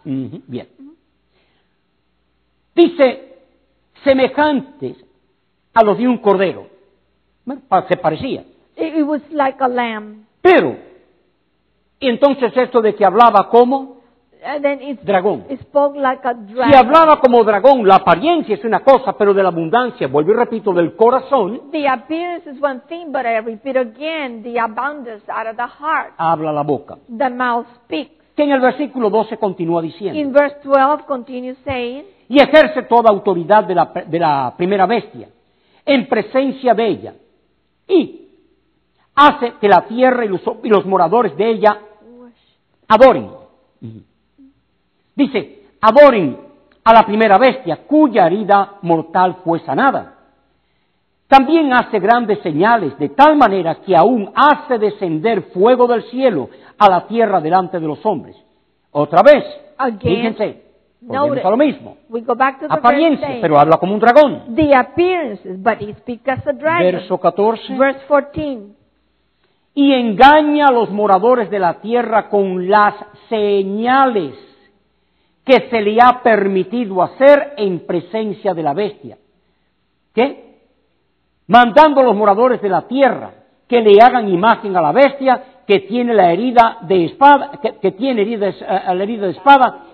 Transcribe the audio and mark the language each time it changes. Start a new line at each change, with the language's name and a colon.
Spanish: Uh-huh, bien. Uh-huh. Dice, semejantes a los de un cordero. Se parecía.
English: It was like a lamb.
Spanish: Pero, y entonces esto de que hablaba como dragón.
English: It spoke like a dragon.
Spanish: Si hablaba como dragón, la apariencia es una cosa, pero de la abundancia, vuelvo y repito, del corazón.
English: The appearance is one thing, but I repeat again, the abundance out of the heart.
Spanish: Habla la boca.
English: The mouth speaks.
Spanish: Que en el versículo 12 continúa diciendo.
English: In verse 12 continues saying.
Spanish: Y ejerce toda autoridad de la primera bestia en presencia de ella, y hace que la tierra y los moradores de ella adoren. Dice, adoren a la primera bestia cuya herida mortal fue sanada. También hace grandes señales, de tal manera que aún hace descender fuego del cielo a la tierra delante de los hombres. Otra vez, fíjense. Volvemos a lo mismo.
English: We go back to the
Spanish: apariencia, pero habla como un dragón.
English: The appearances, but he speaks as a dragon.
Spanish: Verso 14.
English: Verse 14.
Spanish: y engaña a los moradores de la tierra con las señales que se le ha permitido hacer en presencia de la bestia. ¿Qué? Mandando a los moradores de la tierra que le hagan imagen a la bestia que tiene la herida de espada, que tiene la herida de espada,